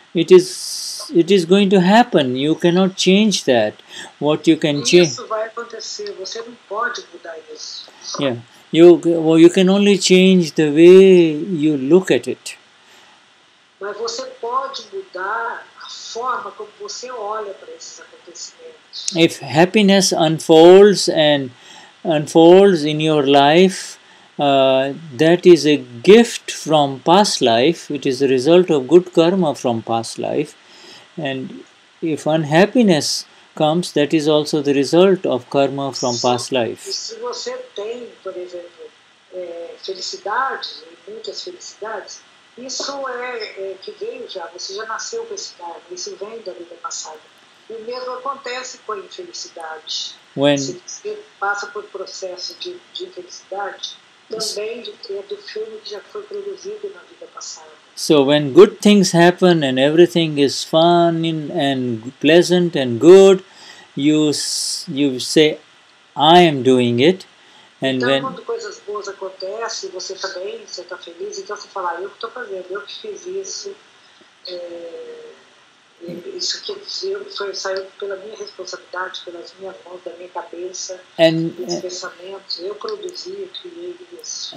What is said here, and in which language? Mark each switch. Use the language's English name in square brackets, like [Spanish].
[English] It is going to happen, you cannot change that. What you can change... [Portuguese] Isso vai acontecer, você não pode mudar isso. [English] Yeah. You can only change the way you look at it. [Portuguese] Mas você pode mudar a forma como você olha para esses acontecimentos. [English] If happiness unfolds in your life, that is a gift from past life. It is a result of good karma from past life. And if unhappiness comes, that is also the result of karma from past life. [Portuguese] Se você tem, por exemplo, felicidades, muitas felicidades, isso é que veio já, você já nasceu com esse karma, isso vem da vida passada. O mesmo acontece com a infelicidade. Se você passa por processo de infelicidade, também é do filme que já foi produzido na vida passada. [English] So when good things happen and everything is fun and pleasant and good, you say, I am doing it. And [Portuguese] então, [English] when [Portuguese] coisas boas acontecem, você está bem, você está feliz, então você fala, eu que estou fazendo, eu que fiz isso, isso que eu fiz saiu pela minha responsabilidade, pelas minhas mãos, da minha cabeça, meus pensamentos, eu produzi, eu criei isso.